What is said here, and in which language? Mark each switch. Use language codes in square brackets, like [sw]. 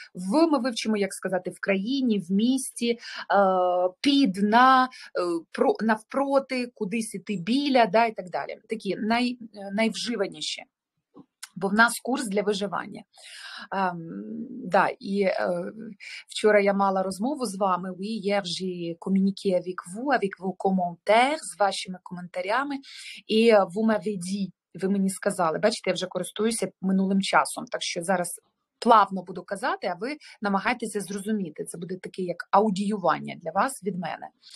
[uk] В ми вивчимо, як сказати, в країні, в місті, під, на, про, навпроти, кудись іти біля, да, і так далі. Такі найвживаніші. Бо в нас курс для виживання. Да, і вчора я мала розмову з вами. [fr] Oui, hier j'ai communiqué avec vos commentaires, [uk] з вашими коментарями. І [fr] vous m'avez dit, [uk] ви мені сказали. Бачите, я вже користуюся минулим часом. Так що зараз плавно буду казати, а ви намагайтеся зрозуміти. Це буде таке, як аудіювання для вас від мене.